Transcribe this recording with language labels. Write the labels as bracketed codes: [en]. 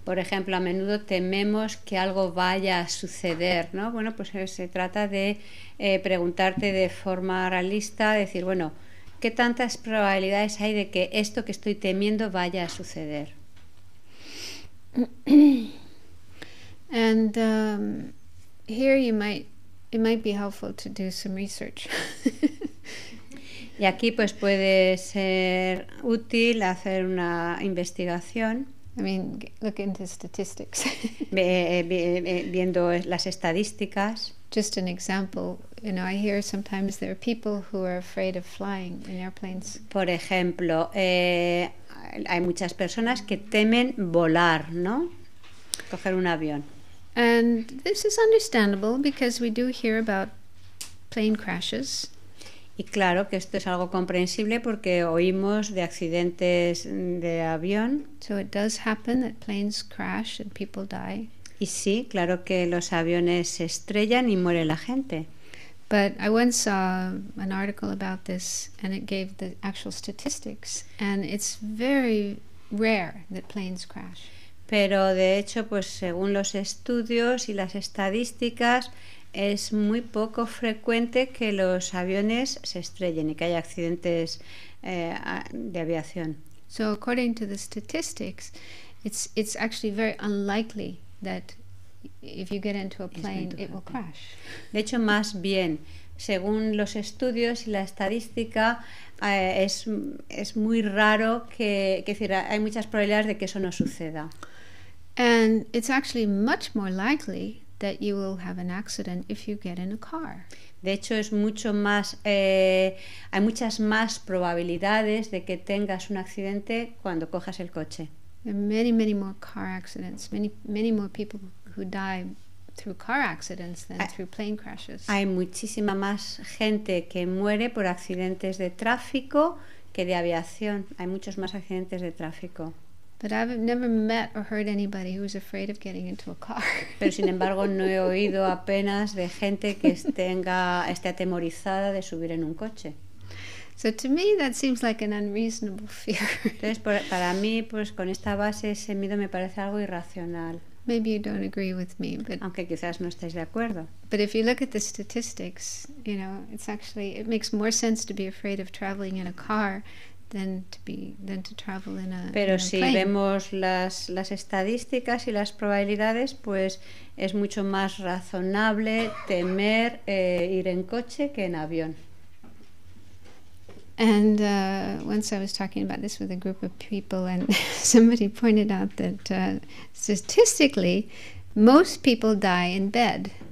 [es] Por ejemplo, a menudo tememos que algo vaya a suceder, ¿no? Bueno, pues se trata de preguntarte de forma realista, decir, bueno, ¿qué tantas probabilidades hay de que esto que estoy temiendo vaya a suceder? [en] And here you might, it might be helpful to do some research. [es] Y aquí pues puede ser útil hacer una investigación. [en] I mean, look into statistics. [es] Viendo las estadísticas. [en] Just an example, you know, I hear sometimes there are people who are afraid of flying in airplanes. [es] Por ejemplo, hay muchas personas que temen volar, ¿no? Coger un avión. [en] And this is understandable because we do hear about plane crashes. [es] Y claro que esto es algo comprensible porque oímos de accidentes de avión. [en] So it does happen that planes crash and people die. [es] Y sí, claro que los aviones se estrellan y muere la gente. [en] But I once saw an article about this and it gave the actual statistics and it's very rare that planes crash. [es] Pero de hecho, pues según los estudios y las estadísticas, es muy poco frecuente que los aviones se estrellen y que haya accidentes de aviación. [en] So according to the statistics, it's actually very unlikely that if you get into a plane, it will crash. [es] De hecho, más bien, según los estudios y la estadística, es muy raro que decir, hay muchas probabilidades de que eso no suceda. [en] And it's actually much more likely that you will have an accident if you get in a car. [es] De hecho, es mucho más, hay muchas más probabilidades de que tengas un accidente cuando cojas el coche. [en] There are many, many more car accidents, many, many more people who die through car accidents than through plane crashes. [es] Hay muchísima más gente que muere por accidentes de tráfico que de aviación. Hay muchos más accidentes de tráfico. [en] But I've never met or heard anybody who is afraid of getting into a car. [es] Pero sin embargo, no he oído apenas de gente que esté atemorizada de subir en un coche. [en] So to me, that seems like an unreasonable fear. [es] Entonces, para mí, pues con esta base, ese miedo me parece algo irracional. [en] Maybe you don't agree with me, but [es] aunque quizás no estéis de acuerdo. [en] But if you look at the statistics, you know, it's actually, it makes more sense to be afraid of traveling in a car than to travel in a plane. [es] Pero si vemos las estadísticas y las probabilidades, pues es mucho más razonable temer ir en coche que en avión. [en] And once I was talking about this with a group of people and somebody pointed out that statistically most people die in bed.